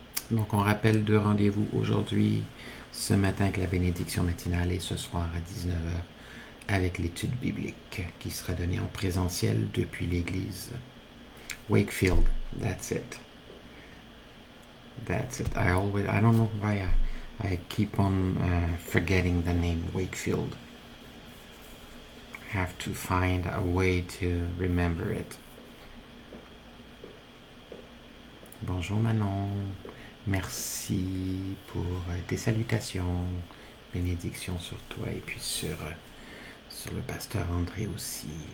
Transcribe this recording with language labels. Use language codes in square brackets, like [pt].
[fr] Donc, on rappelle deux rendez-vous aujourd'hui, ce matin avec la bénédiction matinale et ce soir à 19h avec l'étude biblique qui sera donnée en présentiel depuis l'église. [en] Wakefield, that's it. That's it. I don't know why I keep on forgetting the name Wakefield. I have to find a way to remember it. [fr] Bonjour Manon. Merci pour tes salutations, bénédiction sur toi et puis sur le pasteur André aussi.